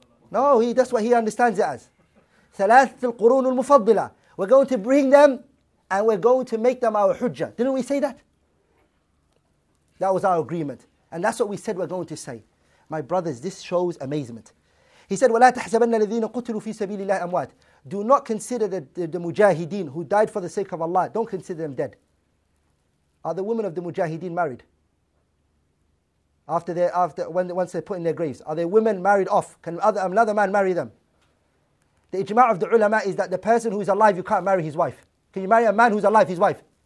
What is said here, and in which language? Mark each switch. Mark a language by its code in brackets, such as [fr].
[en] No, that's what he understands it as. Thalathat al-qurun al-mufaddila. We're going to bring them and we're going to make them our hujjah. Didn't we say that? That was our agreement. And that's what we said we're going to say. My brothers, this shows amazement. He said, [ar] وَلَا تَحْسَبَنَّ الَّذِينَ قُتِلُوا فِي سَبِيلِ اللَّهِ أَمْوَاتِ. [en] Do not consider the mujahideen who died for the sake of Allah. Don't consider them dead. Are the women of the mujahideen married? Once they're put in their graves, are their women married off? Can another man marry them? The ijma' of the ulama is that the person who is alive, you can't marry his wife. Can you marry a man who's alive, his wife?